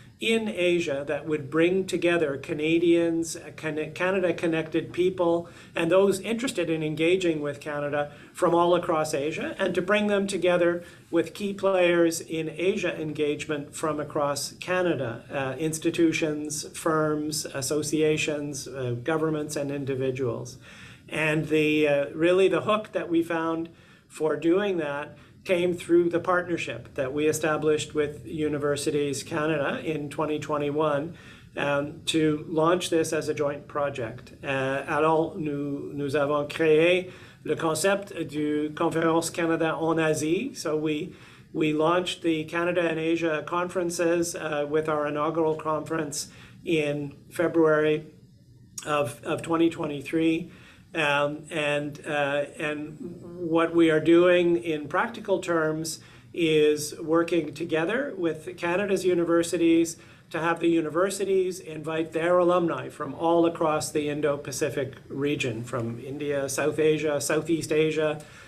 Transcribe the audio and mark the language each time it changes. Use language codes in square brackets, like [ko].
[en] in Asia that would bring together Canadians, Canada-connected people, and those interested in engaging with Canada from all across Asia, and to bring them together with key players in Asia engagement from across Canada, institutions, firms, associations, governments, and individuals. And the hook that we found for doing that came through the partnership that we established with Universities Canada in 2021 to launch this as a joint project. [fr] Alors, nous avons créé le concept du Conférence Canada en Asie. [en] So we launched the Canada and Asia conferences with our inaugural conference in February of 2023. And what we are doing in practical terms is working together with Canada's universities to have the universities invite their alumni from all across the Indo-Pacific region, from India, South Asia, Southeast Asia,